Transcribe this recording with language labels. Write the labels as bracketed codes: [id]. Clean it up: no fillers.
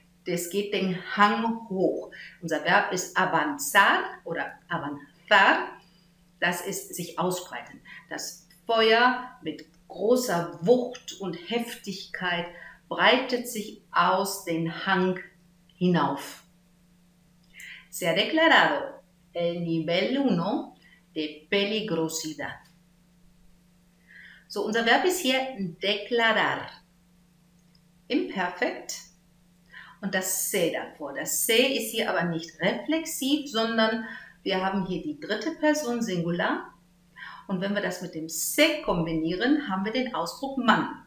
[de] Das geht den Hang hoch. Unser Verb ist avanzar oder avanzar. Das ist sich ausbreiten. Das Feuer mit großer Wucht und Heftigkeit breitet sich aus den Hang hinauf. [es] Se ha declarado el nivel 1 de peligrosidad. [de] So, unser Verb ist hier declarar. Imperfekt. und das se davor. Das se ist hier aber nicht reflexiv, sondern wir haben hier die dritte Person Singular. Und wenn wir das mit dem se kombinieren, haben wir den Ausdruck Mann.